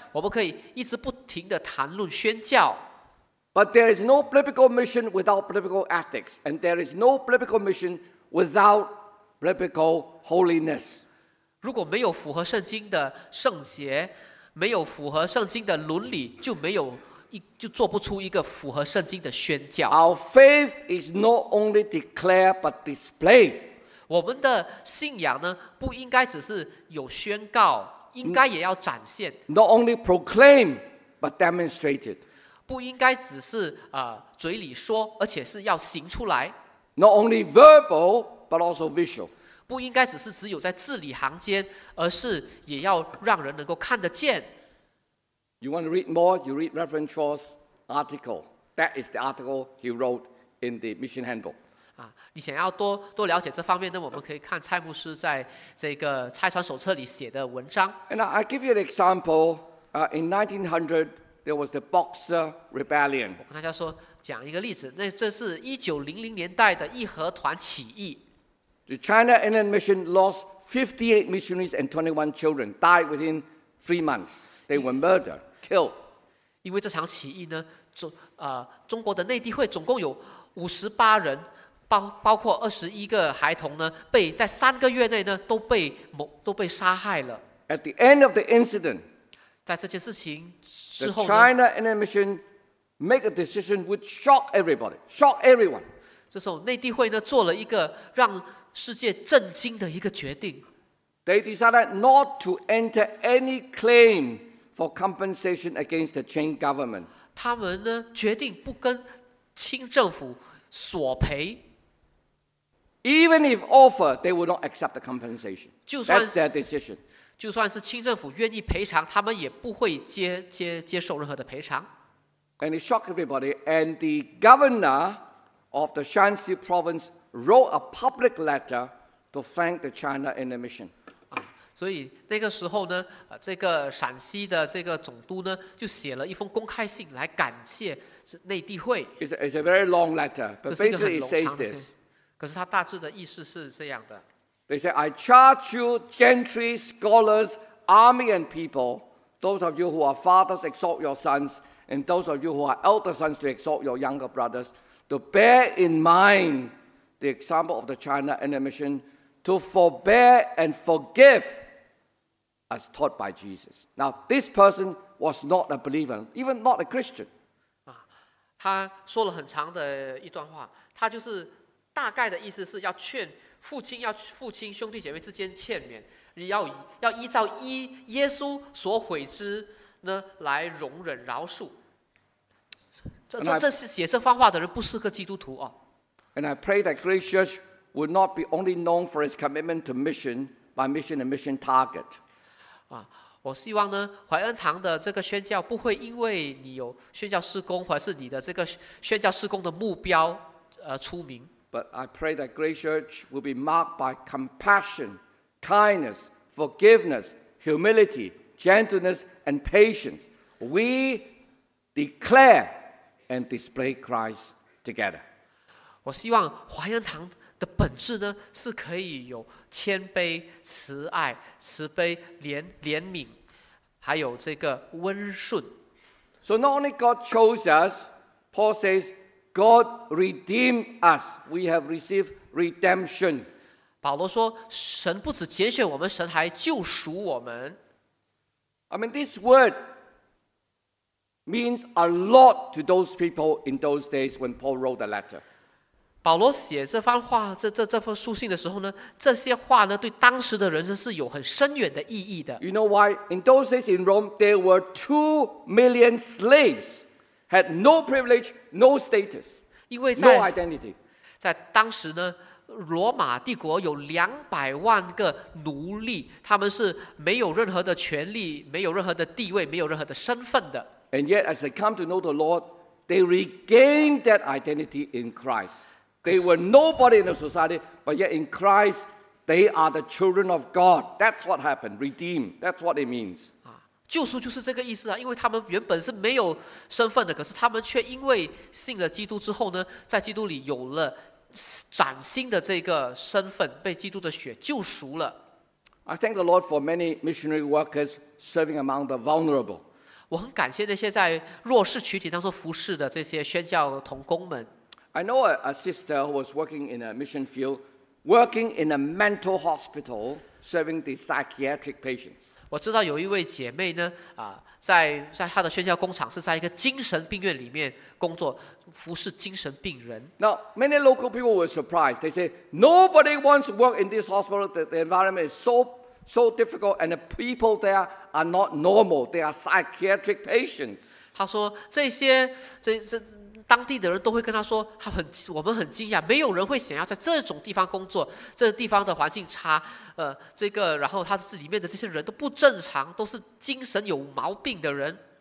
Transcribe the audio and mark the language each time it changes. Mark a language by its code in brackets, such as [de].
[zh] 我们可以一直不停地谈论宣教。 [en] But there is no biblical mission without biblical ethics, and there is no biblical mission without biblical holiness. [zh] 如果没有符合圣经的圣洁，没有符合圣经的伦理，就做不出一个符合圣经的宣教。 [en] Our faith is not only declared but displayed. [zh] 我们的信仰呢，不应该只是有宣告，应该也要展现。 [en] Not only proclaim, but demonstrated. [zh] 不应该只是嘴里说，而且是要行出来。 [en] Not only verbal, but also visual. [zh] 不应该只有在字里行间，而是也要让人能够看得见。 [en] You want to read more? You read Reverend Chaw's article. That is the article he wrote in the Mission Handbook. [zh] 你想要多了解这方面，那我们可以看蔡牧师在这个蔡传手册里写的文章。 [en] And I give you an example. In 1900, there was the Boxer Rebellion. [zh] 我跟大家说，讲一个例子，那这是1900年代的义和团起义。 [en] The China Inland Mission lost 58 missionaries and 21 children, died within 3 months. They were murdered, killed. [zh] 因为这场起义呢，中国的内地会总共有58人，包括21个孩童呢，被在3个月内呢都被杀害了。 [en] At the end of the incident, [zh] 在这件事情之后呢 [en] ，The China Inland Mission make a decision which shock everybody, shock everyone. [zh] 这时候内地会呢做了一个让世界震惊的一个决定。 [en] They decided not to enter any claim for compensation against the Qing government. [zh] 他们呢决定不跟清政府索赔。 [en] Even if offered, they would not accept the compensation. That's their decision. [zh] 就算是清政府愿意赔偿，他们也不会接受任何的赔偿。 [en] And it shocked everybody. And the governor of the Shaanxi province. Wrote a public letter to thank the China Inland Mission. [zh] 所以那个时候呢，这个陕西的这个总督呢，就写了一封公开信来感谢内地会。 [en] It's a very long letter, but basically it says this. [zh] 可是他大致的意思是这样的。 [en] They say, I charge you, gentry, scholars, army, and people, those of you who are fathers, exhort your sons, and those of you who are elder sons, to exhort your younger brothers, to bear in mind. The example of the China Inland Mission to forbear and forgive as taught by Jesus. Now, this person was not a believer, even not a Christian. [zh] 他说了很长的一段话，他就是大概的意思是要劝父亲兄弟姐妹之间欠勉，要依照耶稣所悔之呢来容忍饶恕。这写这番话的人不是个基督徒啊。 [en] And I pray that Great Church would not be only known for its commitment to mission by mission and mission target. [zh] 我希望呢，怀恩堂的这个宣教不会因为你有宣教事工，或者是你的这个宣教事工的目标而出名。 [en] But I pray that Great Church will be marked by compassion, kindness, forgiveness, humility, gentleness, and patience. We declare and display Christ together. [zh] 我希望华严堂的本质呢，是可以有谦卑、慈爱、慈悲、怜悯，还有这个温顺。 [en] So not only God chose us, Paul says, God redeemed us. We have received redemption. [zh] 保罗说，神不只拣选我们，神还救赎我们。 [en] I mean, this word means a lot to those people in those days when Paul wrote the letter. [zh] 保罗写这番话 这封书信的时候呢，这些话呢对当时的人是有很深远的意义的。 [en] You know why? In those days in Rome, there were 2 million slaves had no privilege, no status, no identity. [zh] 在当时呢，罗马帝国有200万个奴隶，他们是没有任何的权利，没有任何的地位，没有任何的身份的。 [en] And yet as they come to know the Lord, they regain that identity in Christ. They were nobody in the society, but yet in Christ, they are the children of God. That's what happened. Redeemed. That's what it means. [zh] 救赎就是这个意思啊，因为他们原本是没有身份的，可是他们却因为信了基督之后呢，在基督里有了崭新的这个身份，被基督的血救赎了。 [en] I thank the Lord for many missionary workers serving among the vulnerable. [zh] 我很感谢那些在弱势群体当中服侍的这些宣教同工们。 [en] I know a sister who was working in a mission field, working in a mental hospital, serving the psychiatric patients. [zh] 我知道有一位姐妹呢，在她的宣教工厂是在一个精神病院里面工作，服侍精神病人。 [en] Now, many local people were surprised. They say, nobody wants to work in this hospital. The environment is so difficult, and the people there are not normal. They are psychiatric patients. [zh] 她说这些当地的人都会跟他说，我们很惊讶，没有人会想要在这种地方工作，这地方的环境差，这个，然后他里面的这些人都不正常，都是精神有毛病的人。